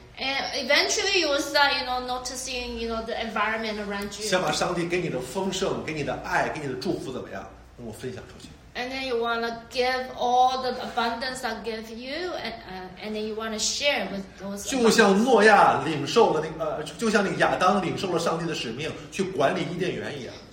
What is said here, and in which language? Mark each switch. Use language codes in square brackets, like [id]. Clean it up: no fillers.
[en] And eventually you will start, you know, noticing, you know, the environment around you. [zh] 想把上帝给你的丰盛、给你的爱、给你的祝福怎么样，跟我分享出去。 [en] And then you want to give all the abundance I give you, and then you want to share with those. [zh] 就像诺亚领受了那个，就像那个亚当领受了上帝的使命，去管理伊甸园一样。